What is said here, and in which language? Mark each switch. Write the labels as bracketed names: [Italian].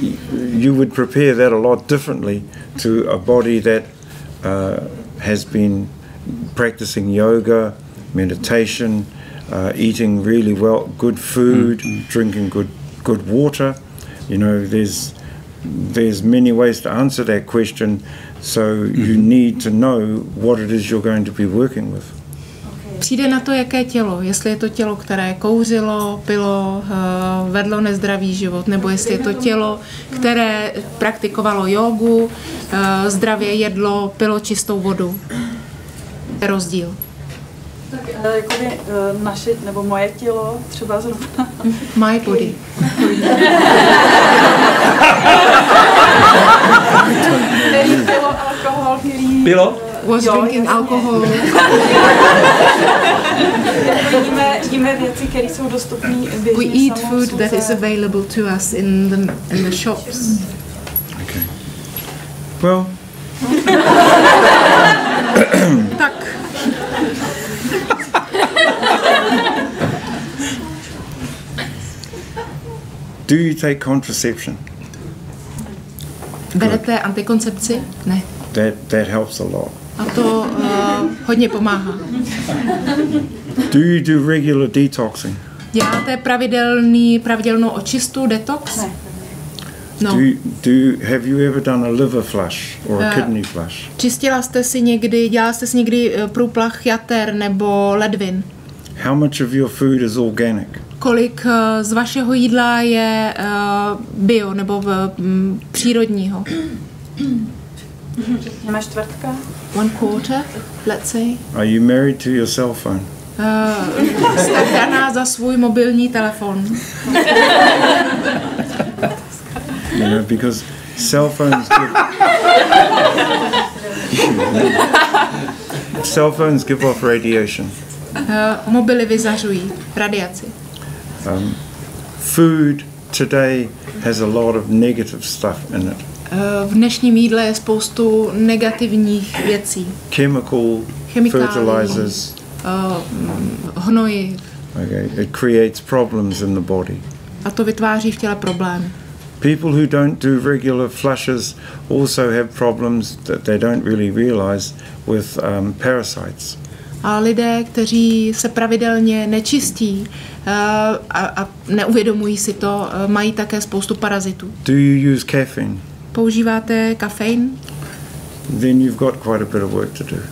[English] You would prepare that a lot differently to a body that has been practicing yoga, meditation. Eating really well, good food, drinking good water. You know, there's many ways to answer that question, so you need to know what it is you're going to be working with. [Czech] Přijde na to, jaké tělo, jestli je to tělo, které kouřilo, pilo, vedlo nezdravý život, nebo jestli je to tělo, které praktikovalo jogu, zdravě jedlo, pilo čistou vodu. Je rozdíl. Tak jakoby naše, nebo moje tělo, třeba zrovna. [English] My body. [Czech] Pilo alkohol, který... Pilo? [English] Was drinking alcohol. [Czech] jíme věci, které jsou dostupné běžně. [English] We eat food that is available to us in the shops. Okay. Well. [Czech] Tak. [English] Do you take contraception? [Czech] Berete antikoncepci? Ne. [English] That helps a lot. [Czech] A to hodně pomáhá. [English] Do you do regular detoxing? [Czech] Děláte pravidelnou očistu, detox? Ne. [English] No. Have you ever done a liver flush or a kidney flush? [Czech] Čistila jste si někdy, dělala jste si někdy průplach jater nebo ledvin? [English] How much of your food is organic? [Czech] Kolik z vašeho jídla je bio nebo přírodního? Jedna čtvrtka. [English] One quarter, let's say. Are you married to your cell phone? [Czech] Jste daná za svůj mobilní telefon. [English] You know, because cell phones give off radiation. [Czech] Mobily vyzařují radiaci. [English] Food today has a lot of negative stuff in it. [Czech] V dnešním jídle je spoustu negativních věcí. [English] Chemicals, fertilizers. [Czech] Hnoji. [English] Okay, it creates problems in the body. [Czech] A to vytváří v těle problém. [English] People who don't do regular flushes also have problems that they don't really realize with parasites. [Czech] A lidé, kteří se pravidelně nečistí a neuvědomují si to, mají také spoustu parazitů. [English] Do you use caffeine? [Czech] Používáte kafein? [English] Then you've got quite a bit of work to do.